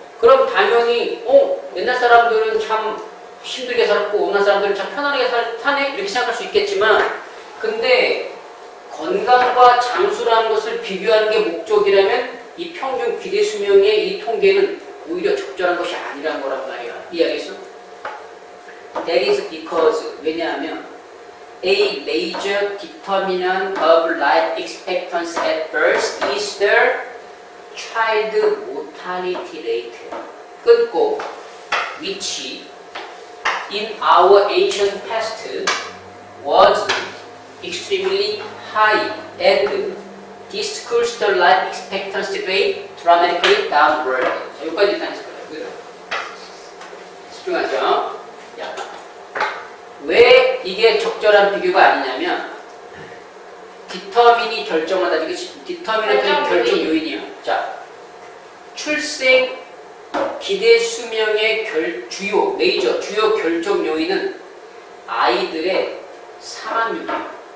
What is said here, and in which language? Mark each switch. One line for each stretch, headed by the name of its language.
Korean: 그럼 당연히, 어? 옛날 사람들은 참 힘들게 살았고, 오늘날 사람들은 참 편안하게 사네? 이렇게 생각할 수 있겠지만, 근데 건강과 장수라는 것을 비교하는 게 목적이라면, 이 평균 기대 수명의 이 통계는 오히려 적절한 것이 아니란 거란 말이야. 이해하겠어?
English: That is because,
Korean: 왜냐하면,
English: a major determinant of life expectancy at birth is the child mortality rate.
Korean: 끊고,
English: which in our ancient past was extremely high and decreased the life expectancy rate dramatically downward.
Korean: 자, 여기까지 일단 했을 거예요. 집중하죠. 왜 이게 적절한 비교가 아니냐면 디터민이 결정하다. 이게 디터민은 결정 요인이야. 자, 출생 기대 수명의 주요 메이저 주요 결정 요인은 아이들의 사망률이야.